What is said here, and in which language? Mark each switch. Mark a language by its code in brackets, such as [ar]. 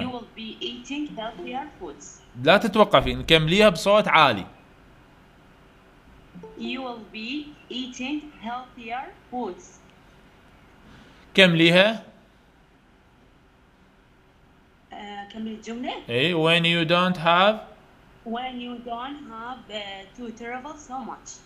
[en] You will be eating healthier foods. [ar] لا تتوقفين، كمليها بصوت عالي. [en] You will be eating healthier foods. [ar] كمليها. كملي الجملة. [en] إيه. When you don't have. When you don't have to travel so much.